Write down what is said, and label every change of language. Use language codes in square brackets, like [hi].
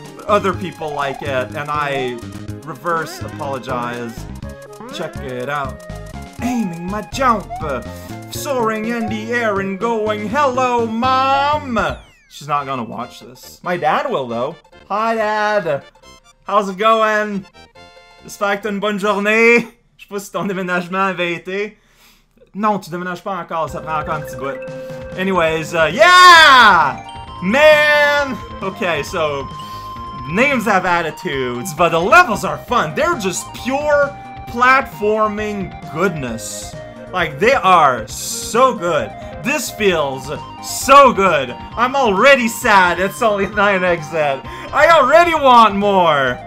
[en] But other people like it, and I reverse apologize. Check it out. Aiming my jump. Soaring in the air and going, hello, mom. She's not gonna watch this. My dad will, though. Hi, dad. How's it going? [fr] J'espère une bonne journée. Je sais pas si ton déménagement avait été. Non, tu déménages pas encore. Ça prend encore un petit bout. [en] Anyways, yeah! Man! Okay, so names have attitudes, but the levels are fun. They're just pure platforming goodness. Like, they are so good. This feels so good. I'm already sad it's only 9 exit. I already want more.